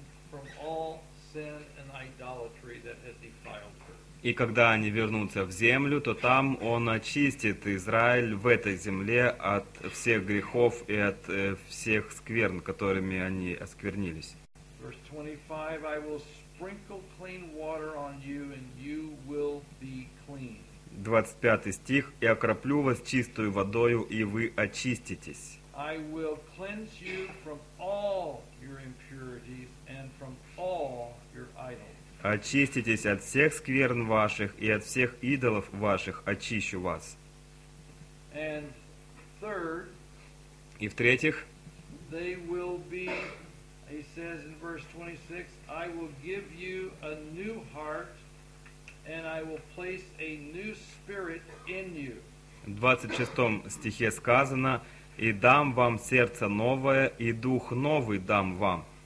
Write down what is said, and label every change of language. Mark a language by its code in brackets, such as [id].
[en] From all sin and idolatry that had defiled her. [ru] И когда они вернутся в землю, то там он очистит Израиль в этой земле от всех грехов и от всех скверн, которыми они осквернились. [en] Verse 25, I will sprinkle clean water on you and you will be clean. [ru] 25 стих, и окроплю вас чистую водою, и вы очиститесь. [en] I will cleanse you from all your impurities and from all your idols. [ru] Очиститесь от всех скверн ваших и от всех идолов ваших, очищу вас. [en] And third, [ru] и в-третьих, [en] they will be, he says in verse 26, I will give you a new heart and I will place a new spirit in you. [ru] В 26 стихе сказано, и дам вам сердце новое, и дух новый дам вам.